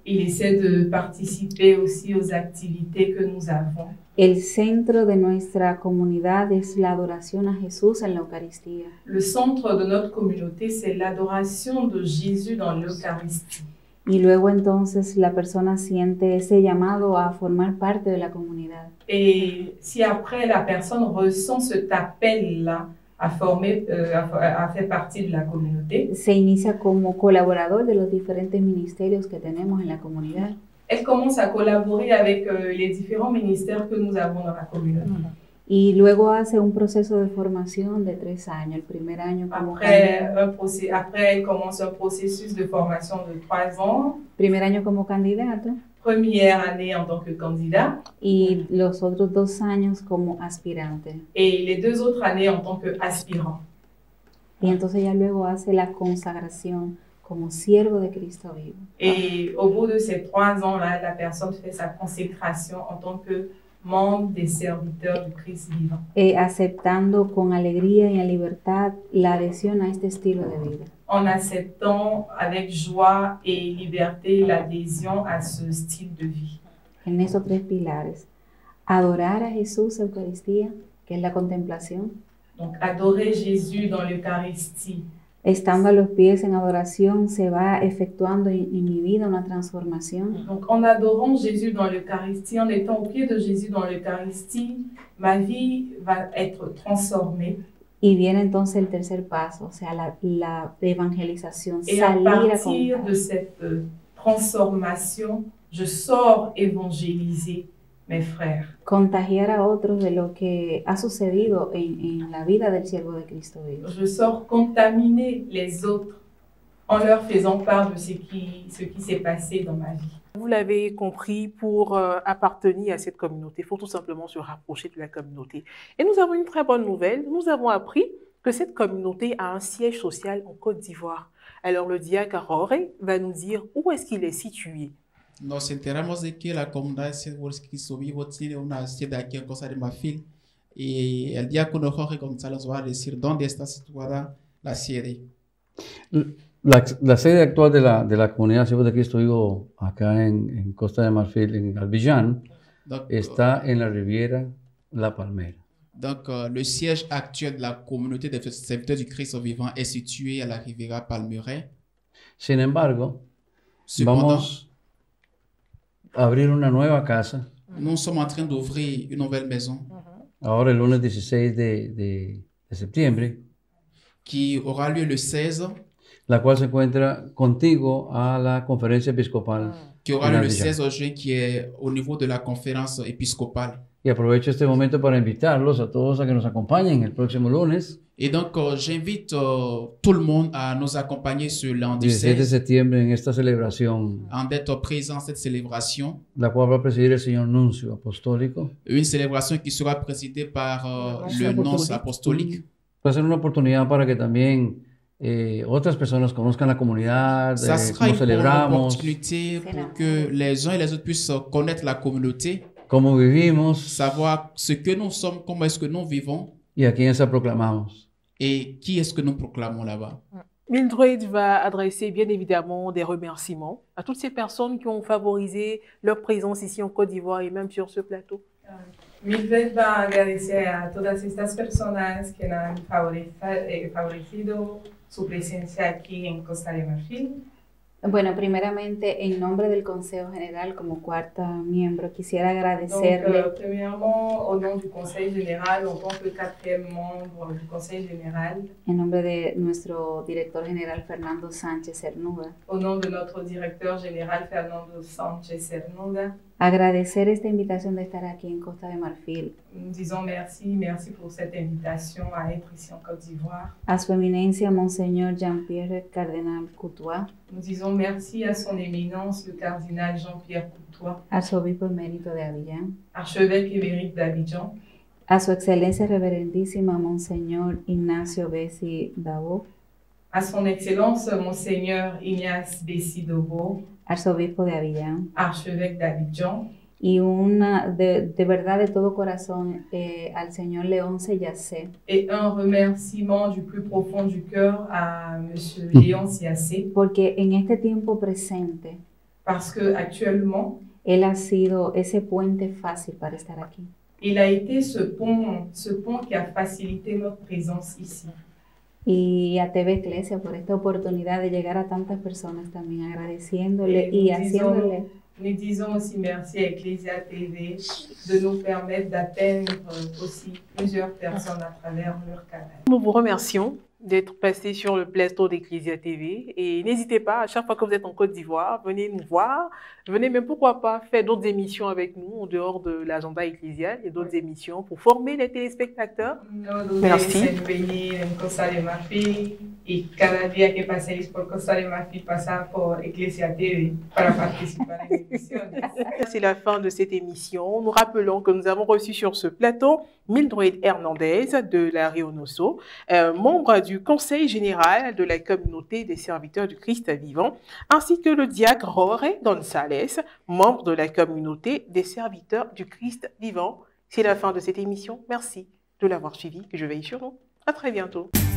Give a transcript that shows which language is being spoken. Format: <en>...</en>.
<fr>Il essaie de participer aussi aux activités que nous avons.</fr> <es>El centro de nuestra comunidad es la adoración a Jesús en la Eucaristía.</es> <fr>Le centre de notre communauté, c'est l'adoration de Jésus dans l'Eucharistie.</fr> <es>Y luego entonces la persona siente ese llamado a formar parte de la comunidad.</es> <fr>Et si après la personne ressent cet appel-là,</fr> <es>a hacer parte de la comunidad. Se inicia como colaborador de los diferentes ministerios que tenemos en la comunidad. Él comienza a colaborar</es> <fr>avec les différents ministères que nous avons dans la comunidad.</fr> <es>Y luego hace un proceso de formación de 3 años, el primer año como Après, él comienza un proceso de formación de 3 años. Primer año como candidato.</es> <fr>Première année en tant que candidat.</fr> <es>Y los otros 2 años como aspirante.</es> <fr>Et les 2 autres années en tant que aspirant.</fr> <es>Y entonces ya luego hace la consagración como siervo de Cristo vivo.</es> <fr>Et au bout de ces 3 ans-là, la personne fait sa consécration en tant que membre des serviteurs du Christ vivant.</fr> <es>Et aceptando con alegría y en libertad la adhesión a este estilo de vida.</es> <fr>En aceptant avec joie et liberté l'adhésion à ce style de vie.</fr> <es>En esos 3 pilares, adorar a Jesús en Eucaristía, que es la contemplación.</es> <fr>Donc adorer Jésus dans l'Eucharistie.</fr> <es>Estando a los pies en adoración, se va efectuando en mi vida una transformación.</es> <fr>Donc en adorant Jésus dans l'Eucharistie, en étant au pied de Jésus dans l'Eucharistie, ma vie va être transformée.</fr> <es>Y viene entonces el tercer paso, o sea, la evangelización,</es> <fr>et</fr> <es>salir a contar. Y a</es> <fr>partir de cette transformación, je sors évangéliser mes frères.</fr> <es>Contagiar a otros de lo que ha sucedido en la vida del siervo de Cristo vivo.</es> <fr>Je sors contaminer les autres en leur faisant part de ce qui s'est passé dans ma vie. Vous l'avez compris, pour appartenir à cette communauté, il faut tout simplement se rapprocher de la communauté. Et nous avons une très bonne nouvelle, nous avons appris que cette communauté a un siège social en Côte d'Ivoire. Alors le diacre Roré va nous dire où est-ce qu'il est situé.</fr> <es>Nos enteramos de que la comunidad de Cristo Vivo tiene una sede aquí en Costa de Marfil. Y el diácono Jorge González va a decir dónde está situada la sede. La sede actual de la comunidad Siervos de Cristo Vivo acá en Costa de Marfil, en Abidjan, está en la Riviera La Palmera.</es> <fr>Donc, le siège actuel de la comunidad de Serviteurs du Cristo Vivant es situé en la Riviera Palmera.</fr> <es>Sin embargo, vamos a abrir una nueva casa.</es> <fr>Nous sommes en train d'ouvrir une nouvelle maison.</fr> <es>Ahora el lunes 16 de septiembre.</es> <fr>Qui aura lieu le 16.</fr> <es>La cual se encuentra contigo a la conferencia episcopal.</es> <fr>Qui aura lieu le 16 juin, qui est au niveau de la conférence épiscopale.</fr> <es>Y aprovecho este momento para invitarlos a todos a que nos acompañen el próximo lunes.</es> <fr>Et donc, j'invite tout le monde à nous accompagner sur lundi</fr> <es>16 de septembre en esta celebración.</es> <fr>En d'être présent à cette célébration.</fr> <es>La cual va a presidir el señor nuncio apostólico.</es> <fr>Une célébration qui sera présidée par le nonce apostolique.</fr> <es>Va a ser una oportunidad para que también otras personas conozcan la comunidad, cómo celebramos.</es> <fr>Ça sera une opportunité pour que les uns et les autres puissent connaître la communauté.</fr> <es>Cómo vivimos.</es> <fr>Savoir ce que nous sommes, comment est-ce que nous vivons.</fr> <es>Y a quién se proclamamos. Et qui est-ce que nous proclamons là-bas?</es> <fr>Mildred va adresser bien évidemment des remerciements à toutes ces personnes qui ont favorisé leur présence ici en Côte d'Ivoire et même sur ce plateau.</fr> <es>Mildred va agradecer a todas estas personas que han favorecido su presencia aquí en Costa de Marfil. Bueno, primeramente, en nombre del Consejo General, como cuarta miembro, quisiera agradecerle.</es> <fr>Donc, premièrement, au nom du Conseil Général, en tant que quatrième membre du Conseil Général.</fr> <es>En nombre de nuestro director general, Fernando Sánchez Cernuda.</es> <fr>Au nom de notre directeur général, Fernando Sánchez Cernuda.</fr> <es>Agradecer esta invitación de estar aquí en Costa de Marfil.</es> <fr>Disons merci</fr> <es>por esta invitación</es> <fr>a être ici en Côte d'Ivoire.</fr> <es>A su eminencia, Monseñor Jean-Pierre Cardenal Courtois.</es> <fr>Disons merci a son éminence, le cardinal Jean-Pierre Courtois.</fr> <es>Arzobispo emérito de Abidjan.</es> <fr>Archevêque émérite d'Abidjan.</fr> <es>A su excelencia reverendísima, Monseñor Ignacio Bessi Dabo.</es> <fr>A son excelencia, Monseñor Ignace Bessi Dabo.</fr> <es>Arzobispo de Abidjan.</es> <fr>Archevêque d'Abidjan.</fr> <es>Y una de verdad de todo corazón al señor León Seyassé.</es> <fr>Et un remerciement du plus profond du cœur à monsieur Léon Seyassé.</fr> <es>Porque en este tiempo presente.</es> <fr>Parce que actuellement.</fr> <es>Él ha sido ese puente fácil para estar aquí.</es> <fr>Il a été ce pont qui a facilité notre présence ici.</fr> <es>Y a TV Iglesia por esta oportunidad de llegar a tantas personas también agradeciéndole y haciéndole.</es> <fr>Nous disons aussi merci à Ecclesia TV de nous permettre d'atteindre aussi plusieurs personnes à travers leur canal. Nous vous remercions d'être passé sur le Play Store d'Ecclesia TV et n'hésitez pas, à chaque fois que vous êtes en Côte d'Ivoire, venez nous voir, venez même pourquoi pas faire d'autres émissions avec nous en dehors de l'agenda ecclésial et d'autres émissions pour former les téléspectateurs. Merci. Nous sommes bénis en</fr> <es>Costa de Marfil et cada día que paséis por Costa de Marfil, pasar por Ecclesia TV para participar en</es> <fr>l'émission. C'est la fin de cette émission. Nous rappelons que nous avons reçu sur ce plateau Mildred Hernandez de la Rio Nosso, membre du Conseil Général de la Communauté des Serviteurs du Christ Vivant, ainsi que le diacre Jorge González, membre de la Communauté des Serviteurs du Christ Vivant. C'est la fin de cette émission. Merci de l'avoir suivi. Je veille sur vous. À très bientôt.</fr>